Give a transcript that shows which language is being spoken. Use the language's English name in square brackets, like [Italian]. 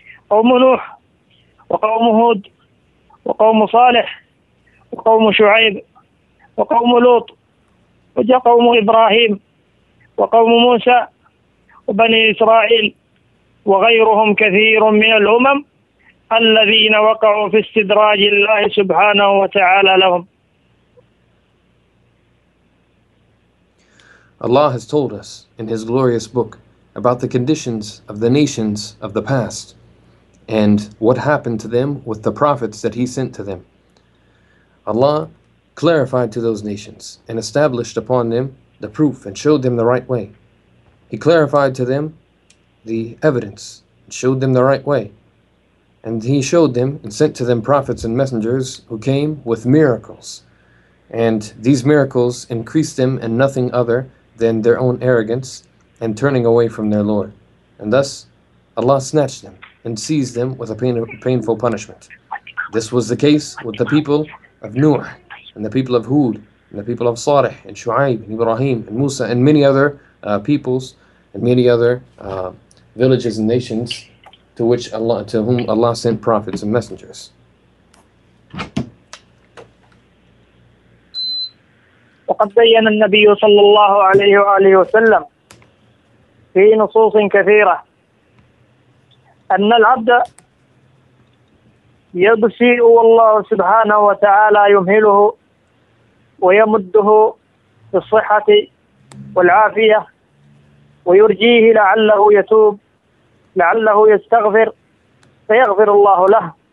[Arabic] قوم نوح وقوم هود وقوم صالح وقوم شعيب وقوم لوط وجاء قوم إبراهيم وقوم موسى وبني إسرائيل وغيرهم كثير من الأمم الذين وقعوا في استدراج الله سبحانه وتعالى لهم. [English] Allah has told us in His glorious book about the conditions of the nations of the past and what happened to them with the prophets that He sent to them. Allah clarified to those nations and established upon them the proof and showed them the right way. He clarified to them the evidence and showed them the right way. And He showed them and sent to them prophets and messengers who came with miracles. And these miracles increased them in nothing other than their own arrogance and turning away from their Lord. And thus Allah snatched them and seized them with a painful punishment. This was the case with the people of Nuh and the people of Hud and the people of Salih and Shu'aib and Ibrahim and Musa and many other peoples and many other villages and nations to whom Allah sent prophets and messengers. [Arabic] وقد بين النبي صلى الله عليه وآله وسلم في نصوص كثيرة أن العبد يبسيء والله سبحانه وتعالى يمهله ويمده بالصحة والعافية ويرجيه لعله يتوب لعله يستغفر فيغفر الله له.